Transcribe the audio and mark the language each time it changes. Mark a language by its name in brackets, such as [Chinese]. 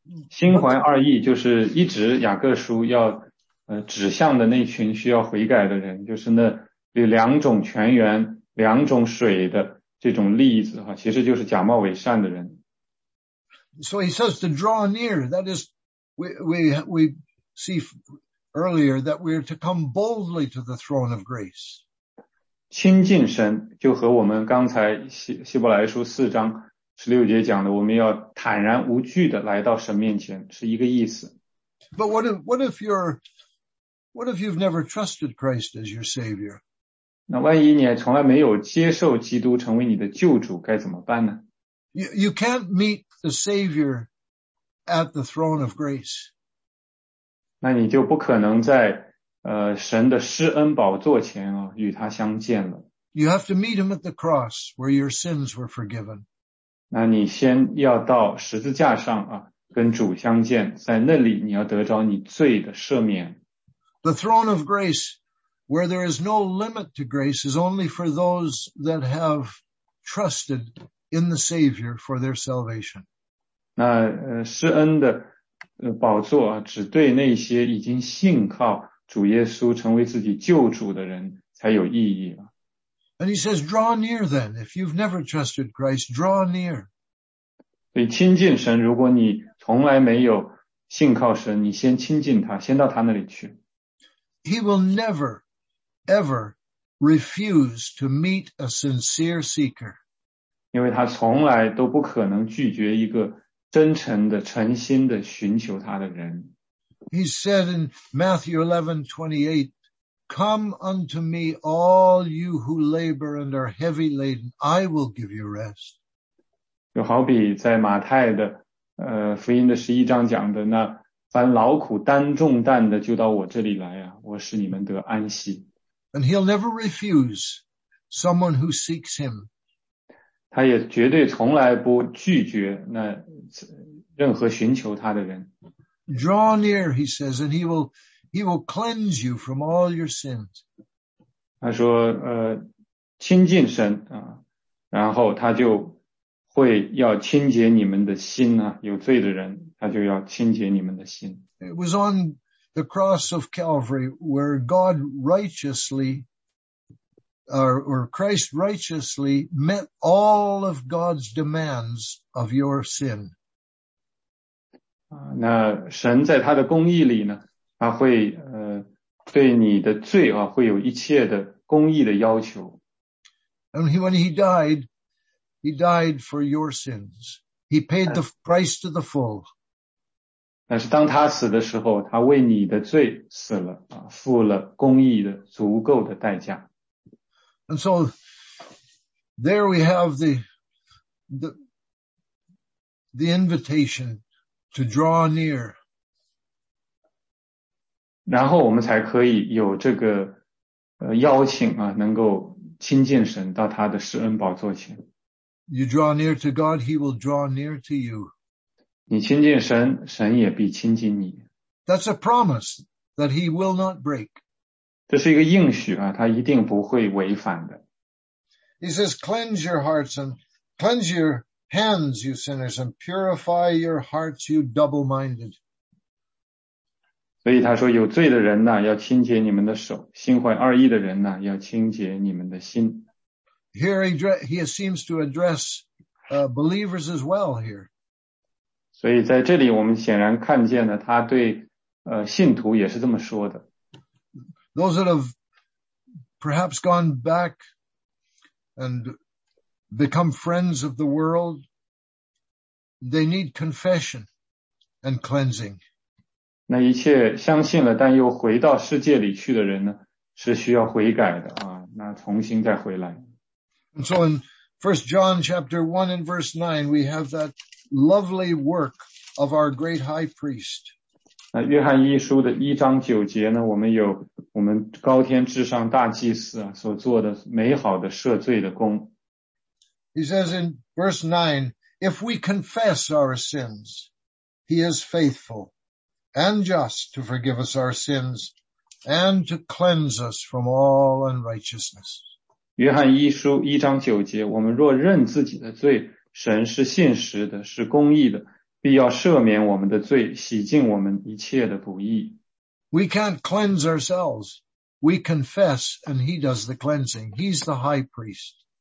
[Chinese] 心怀二意就是一直雅各书要、指向的那群需要悔改的人，就是那有两种泉源。两种水的这种例子其实就是假冒伪善的人。 [English] So he says to draw near, that is, we see earlier that we are to come boldly to the throne of grace. [Chinese] 亲近神就和我们刚才希伯来书四章十六节讲的我们要坦然无惧的来到神面前是一个意思。 [English] But what if you've never trusted Christ as your Savior? [Chinese] 那万一你从来没有接受基督成为你的救主该怎么办呢 [English] you can't meet the Savior at the throne of grace. [Chinese] 那你就不可能在、神的施恩宝座前、与他相见了。 [English] You have to meet him at the cross where your sins were forgiven. [Chinese] 那你先要到十字架上、跟主相见在那里你要得着你罪的赦免。 [English] The throne of grace where there is no limit to grace is only for those that have trusted in the Savior for their salvation. [Chinese] 那施恩的宝座只对那些已经信靠主耶稣成为自己救主的人才有意义了。 [English] And he says, draw near then. If you've never trusted Christ, draw near. [Chinese] 所以亲近神如果你从来没有信靠神你先亲近他先到他那里去。 [English] He will never ever refuse to meet a sincere seeker. [Chinese] 因为他从来都不可能拒绝一个真诚的、诚心的寻求他的人。 [English] He said in Matthew 11:28, Come unto me, all you who labor and are heavy laden, I will give you rest. [Chinese] 就好比在马太的、福音的十一章讲的那凡劳苦担重担的就到我这里来啊，我使你们得安息。 [English] And he'll never refuse someone who seeks him. [Chinese] 他也绝对从来不拒绝那任何寻求他的人。 [English] Draw near, he says, and he will cleanse you from all your sins. [Chinese] 他说，亲近神啊，然后他就会要清洁你们的心啊，有罪的人，他就要清洁你们的心。 [English] It was on the cross of Calvary, where God righteously, or Christ righteously met all of God's demands of your sin. [Chinese] 那神在他的公义里呢，他会对你的罪啊，会有一切的公义的要求。 [English] And when he died for your sins. He paid the price to the full. [Chinese] 但是当他死的时候他为你的罪死了付了公义的足够的代价。 [English] And so, there we have the invitation to draw near. [Chinese] 然后我们才可以有这个邀请啊能够亲近神到他的施恩宝座前。 [English] You draw near to God, he will draw near to you. [Chinese] 你亲近神，神也必亲近你。 [English] That's a promise that he will not break. [Chinese] 这是一个应许啊，他一定不会违反的。 [English] He says, cleanse your hearts and cleanse your hands, you sinners, and purify your hearts, you double-minded. [Chinese] 所以他说，有罪的人呢，要清洁你们的手，心怀二意的人呢，要清洁你们的心。 [English] Here he seems to address believers as well here. [Chinese] 所以在这里我们显然看见了他对信徒也是这么说的。 [English] Those that have perhaps gone back and become friends of the world, they need confession and cleansing. [Chinese] 那一切相信了但又回到世界里去的人呢，是需要悔改的啊，那重新再回来。 [English] And so in 1 John chapter 1 and verse 9, we have that lovely work of our great high priest. [Chinese] 那约翰一书的一章九节呢，我们有我们高天至上大祭司啊所做的美好的赦罪的功。 [English] He says in verse 9, if we confess our sins, he is faithful and just to forgive us our sins and to cleanse us from all unrighteousness. [Chinese] 约翰一书一章九节，我们若认自己的罪，神是信实的，是公义的，必要赦免我们的罪，洗净我们一切的不义。 [English] We can't cleanse ourselves. We confess and he does the cleansing. He's the high priest.